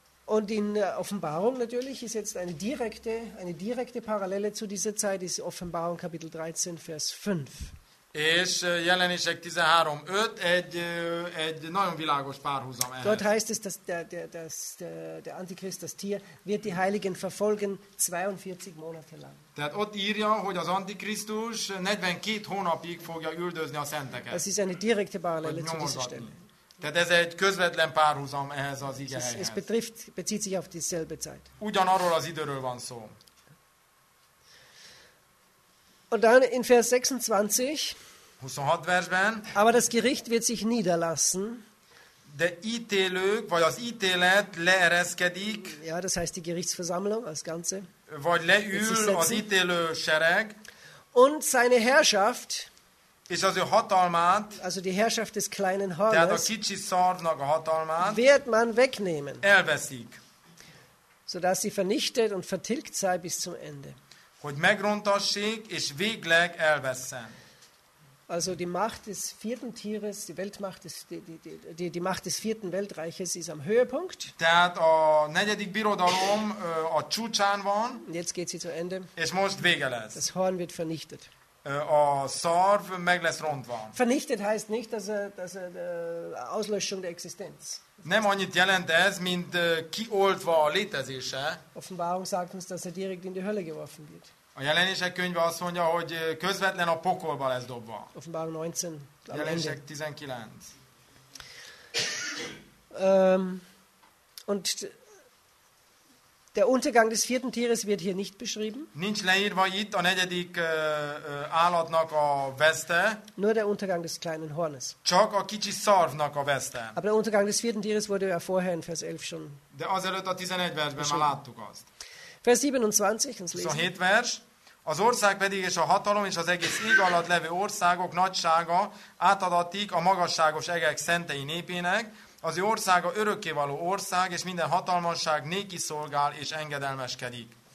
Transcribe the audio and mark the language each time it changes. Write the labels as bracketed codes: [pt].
[de] Und in Offenbarung natürlich ist jetzt eine direkte Parallele zu dieser Zeit ist Offenbarung Kapitel 13 Vers 5. [hu] És Jelenések 13:5 egy nagyon világos párhuzam ehhez. [de] Dort heißt es, dass der Antichrist, das Tier, wird die Heiligen verfolgen 42 Monate lang. [hu] Tehát ott írja, hogy az Antikrisztus 42 hónapig fogja üldözni a szenteket. [de] Das ist eine direkte Parallele zu dieser Stelle. [hu] Tehát ez egy közvetlen párhuzam ehhez az ige helyhez. [de] Es bezieht sich auf dieselbe Zeit. [hu] Ugyanarról az időről van szó. [de] Und dann in Vers 26. [hu] 26 versben. [de] Aber das Gericht wird sich niederlassen. [hu] De ítélők, vagy az ítélet leereszkedik. [de] Ja, das heißt die Gerichtsversammlung als Ganze. [hu] Vagy leül az ítélő sereg. [de] Und seine Herrschaft. [hu] És az ő hatalmát, [de] also die Herrschaft des kleinen Hornes, [hu] tehát a kicsi szarvnak a hatalmát, [de] wird man wegnehmen, [hu] elveszik, [de] sodass sie vernichtet und vertilgt sei bis zum Ende. [hu] Hogy megrontassék és végleg elvesszen. [de] Also die Macht des vierten Tieres, die Weltmacht des die Macht des vierten Weltreiches ist am Höhepunkt. [hu] Tehát a negyedik birodalom a csúcsán van. [de] Jetzt geht sie zu Ende. [hu] És most vége lesz. [de] Das Horn wird vernichtet. [hu] A szarv meg lesz rontva. [de] Vernichtet heißt nicht, dass Auslöschung der Existenz. [hu] Nem annyit jelent ez, mint kioltva a létezése. [de] Offenbarung sagt uns, dass direkt in die Hölle geworfen wird. [hu] A jelenések könyve azt mondja, hogy közvetlen a pokolba lesz dobva. [de] Offenbarung 19. [hu] Jelenések 19. [de] Und der Untergang des vierten Tieres wird hier nicht beschrieben. [hu] Nincs leírva itt a negyedik állatnak a veszte. [de] Nur der Untergang des kleinen Hornes. [hu] Csak a kicsi szarvnak a veszte. [de] Aber der Untergang des vierten Tieres wurde ja vorher in Vers 11 schon. [hu] De azelőtt a 11 versben már láttuk azt. [de] Vers 27, uns lesen. [hu] 27 vers. Az ország pedig és a hatalom és az egész ég alatt levő országok nagysága átadatik a magasságos egek szentei népének. Az ő országa örökké való ország, és minden hatalmasság néki szolgál és engedelmeskedik.